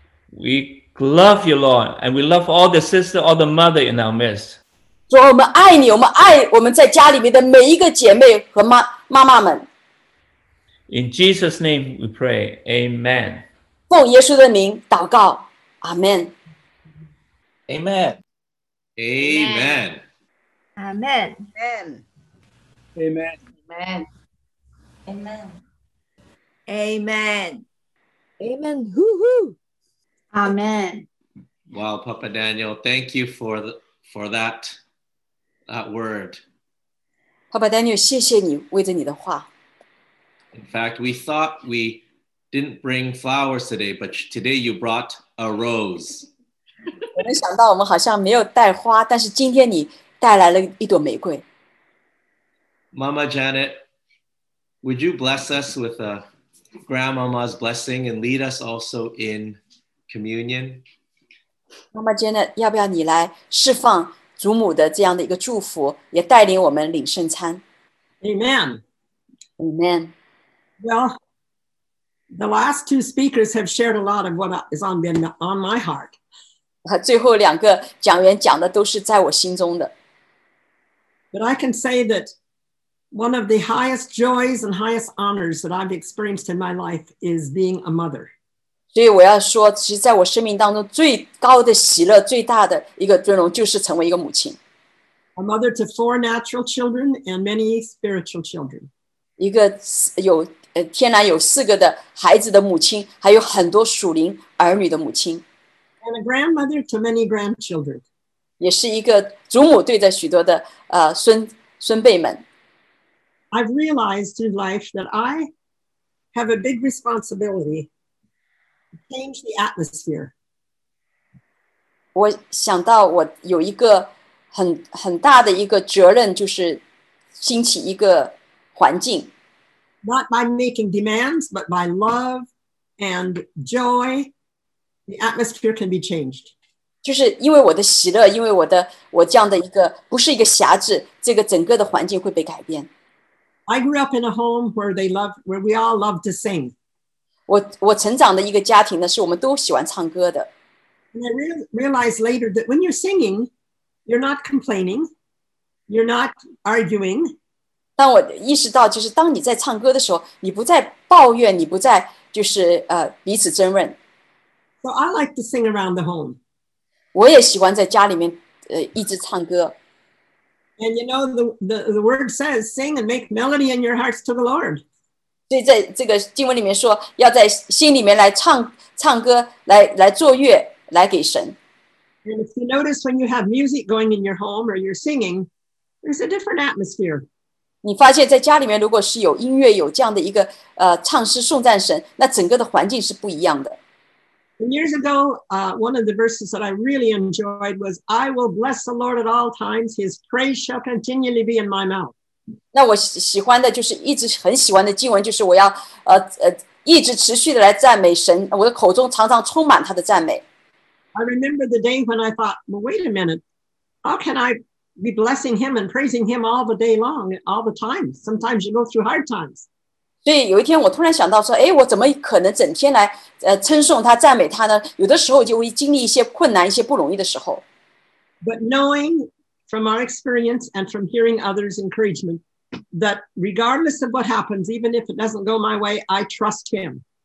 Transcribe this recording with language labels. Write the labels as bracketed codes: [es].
[en] We love you, Lord, and we love all the sisters, all the mothers in our midst. [zh] 主啊，我们爱你，我们爱我们在家里面的每一个姐妹和妈妈们。 [en] In Jesus' name, we pray. Amen. [zh] 奉耶稣的名祷告，阿门。 [en] Amen. Amen. Amen. Amen. Amen. Amen. Amen. Amen. Amen. Hoo-hoo. Amen. Wow, Papa Daniel, thank you for that word. [zh] Papa Daniel, 谢谢你为着你的话。 [en] In fact, we thought we didn't bring flowers today, but today you brought a rose. [zh] 我们想到我们好像没有带花，但是今天你带来了一朵玫瑰。 [en] Mama Janet, would you bless us with a grandmama's blessing and lead us also in communion? [zh] Mama Janet, 要不要你来释放祖母的这样的一个祝福，也带领我们领圣餐？ [en] Amen. Amen. Well, the last two speakers have shared a lot of what is on my heart. [zh] 最后两个讲员讲的都是在我心中的。 [en] But I can say that one of the highest joys and highest honors that I've experienced in my life is being a mother. [zh] 所以我要说，其实在我生命当中最高的喜乐、最大的一个尊荣，就是成为一个母亲。 [en] A mother to 4 natural children and many spiritual children. [zh] 一个有天然有四个的孩子的母亲，还有很多属灵儿女的母亲。 [en] And a grandmother to many grandchildren. [zh] 也是一个祖母对着许多的孙辈们。 [en] I've realized in life that I have a big responsibility to change the atmosphere. [zh] 我想到我有一个很大的一个责任，就是兴起一个环境。 [en] Not by making demands, but by love and joy. The atmosphere can be changed. [zh] 就是因为我的喜乐，因为我这样的一个不是一个瑕疵，这个整个的环境会被改变。 [en] I grew up in a home where we all loved to sing. [zh] 我成长的一个家庭呢，是我们都喜欢唱歌的。 [en] And I realized later that when you're singing, you're not complaining, you're not arguing. [zh] 当我意识到，就是当你在唱歌的时候，你不再抱怨，你不再就是彼此争论。 [en] So I like to sing around the home. [zh] 我也喜欢在家里面一直唱歌。 [en] And you know, the word says, sing and make melody in your hearts to the Lord. [zh] 所以在这个经文里面说，要在心里面来唱歌，来作乐，来给神。 [en] And if you notice when you have music going in your home or you're singing, there's a different atmosphere. [zh] 你发现在家里面如果是有音乐，有这样的一个唱诗颂赞神，那整个的环境是不一样的。 [en] Years ago, one of the verses that I really enjoyed was, I will bless the Lord at all times, his praise shall continually be in my mouth. [zh] 那我喜欢的就是一直很喜欢的经文，就是我要一直持续的来赞美神，我的口中常常充满他的赞美。 [en] I remember the day when I thought, well, wait a minute, how can I be blessing him and praising him all the day long, all the time? Sometimes you go through hard times. [zh] 所以有一天我突然想到说，哎，我怎么可能整天来称颂他、赞美他呢？有的时候就会经历一些困难、一些不容易的时候。 [en] But knowing from our experience and from hearing others' encouragement, that regardless of what happens, even if it doesn't go my way, I trust him.